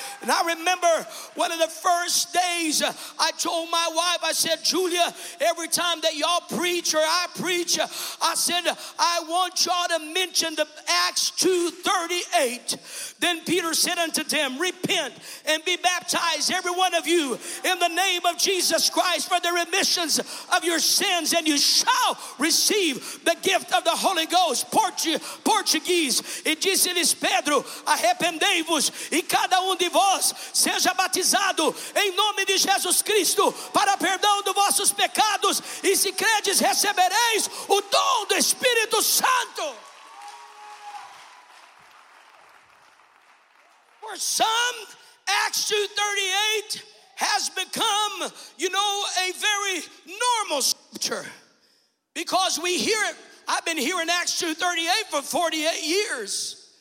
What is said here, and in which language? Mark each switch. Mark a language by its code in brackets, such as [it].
[en] And I remember one of the first days I told my wife, I said, Julia, every time that y'all preach or I preach, I said, I want y'all to mention the Acts 2:38. Then Peter said unto them, repent and be baptized, every one of you, in the name of Jesus Christ for the remissions of your sins, and you shall receive the gift of the Holy Ghost. Portuguese, [pt] e disse-lhes Pedro, arrependei-vos e cada de vós seja batizado em nome de Jesus Cristo para perdão dos vossos pecados e se credes recebereis o dom do Espírito Santo. [en] For some, Acts 2:38 has become, you know, a very normal scripture because we hear it. I've been hearing Acts 2:38 for 48 years.